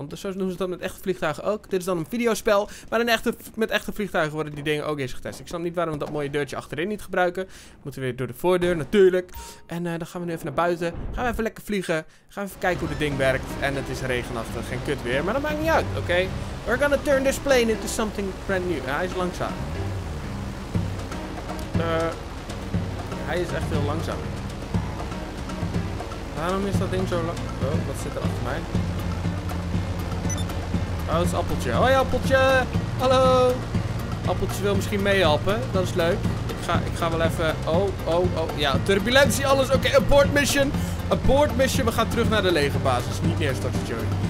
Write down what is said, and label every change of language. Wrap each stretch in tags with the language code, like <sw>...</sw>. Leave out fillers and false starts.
<nl>Want zo doen ze dat met echte vliegtuigen ook. Dit is dan een videospel, maar met echte vliegtuigen worden die dingen ook eerst getest. Ik snap niet waarom we dat mooie deurtje achterin niet gebruiken. Moeten we weer door de voordeur, natuurlijk. En dan gaan we nu even naar buiten. Gaan we even lekker vliegen. Gaan we even kijken hoe het ding werkt. En het is regenachtig, geen kut weer, maar dat maakt niet uit, oké?</nl> <en>We're gonna turn this plane into something brand new.</en> <nl>Hij is langzaam. Hij is echt heel langzaam. Waarom is dat ding zo lang? Oh, wat zit er achter mij? Oh, het is Appeltje. Hoi, Appeltje! Hallo! Appeltje wil misschien meehelpen. Dat is leuk. Ik ga wel even... Oh, oh, oh. Ja, turbulentie, alles. Oké,</nl> <en>abort mission. Abort mission.</en> <nl>We gaan terug naar de legerbasis. Niet neerstorten, Joey.</nl>